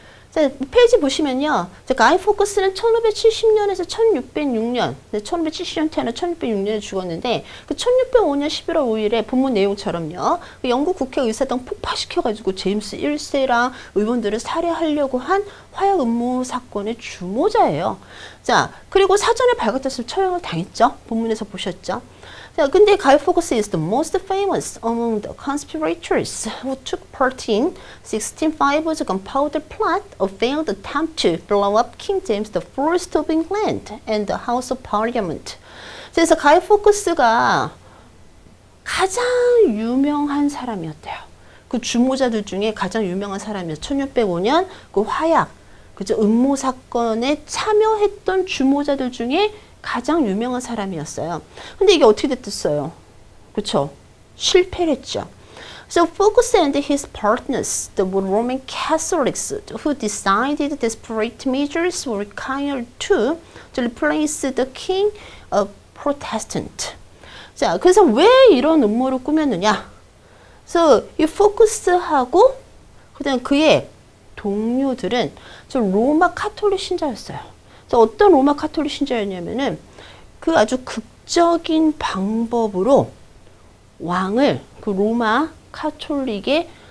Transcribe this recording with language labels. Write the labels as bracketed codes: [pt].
[ko] 자, 페이지 보시면요. 자, 가이 포커스는 1570년에서 1606년, 1570년 태어나 1606년에 죽었는데, 그 1605년 11월 5일에 본문 내용처럼요. 그 영국 국회 의사당 폭파시켜가지고 제임스 1세랑 의원들을 살해하려고 한 화약 음모 사건의 주모자예요. 자, 그리고 사전에 발각됐을 처형을 당했죠. 본문에서 보셨죠. 자, 근데 [en] 가이 포커스 is the most famous among the conspirators who took part in 1605's gunpowder plot, a failed attempt to blow up King James I of England and the House of Parliament. [ko] 그래서 가이 포커스가 가장 유명한 사람이었대요. 그 주모자들 중에 가장 유명한 사람이었어요. 1605년 그 화약, 그죠, 음모 사건에 참여했던 주모자들 중에 가장 유명한 사람이었어요. 근데 이게 어떻게 됐었어요? 그렇죠? 실패를 했죠. [en] So Fox and his partners, the Roman Catholics who decided desperate measures were required to replace the king of Protestant. [ko] 자, 그래서 왜 이런 음모를 꾸몄느냐? So 이 Fox하고 그다음 그의 동료들은 저 로마 카톨릭 신자였어요. 어떤 로마 카톨릭 신자였냐면은 그 아주 극적인 방법으로 왕을 그 로마 카톨릭의